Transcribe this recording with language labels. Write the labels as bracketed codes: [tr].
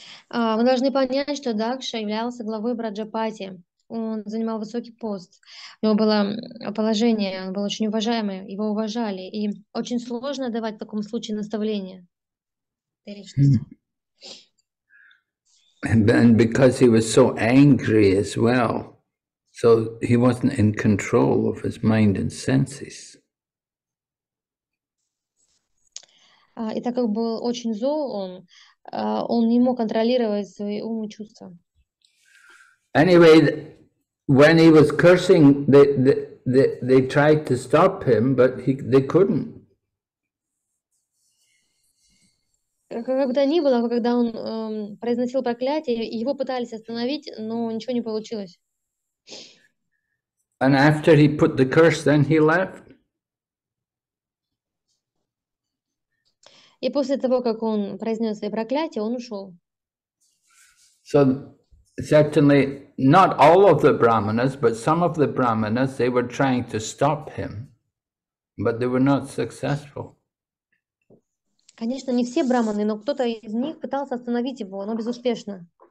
[ru] Мы должны понять, что Дакша являлся главой Праджапати. Он занимал высокий пост, у него было положение, он был очень уважаемый, его уважали. И очень сложно давать в таком случае наставление. [en] And because he was so angry as well, so he wasn't in control of his mind and senses. [ru] И так как был очень зол, он не мог контролировать свои умы и чувства. [en] Anyway, when he was cursing, they tried to stop him, but they couldn't. [ru] Когда ни было, когда он произносил проклятие, его пытались остановить, но ничего не получилось. [en] And after he put the curse, then he left. [ru] И после того, как он произнес свое проклятие, он ушел. [en] So certainly not all of the brahmanas, but some of the brahmanas, they were trying to stop him, but they were not successful. [ru] Конечно, не все браманы, но кто-то из них пытался остановить его, но безуспешно.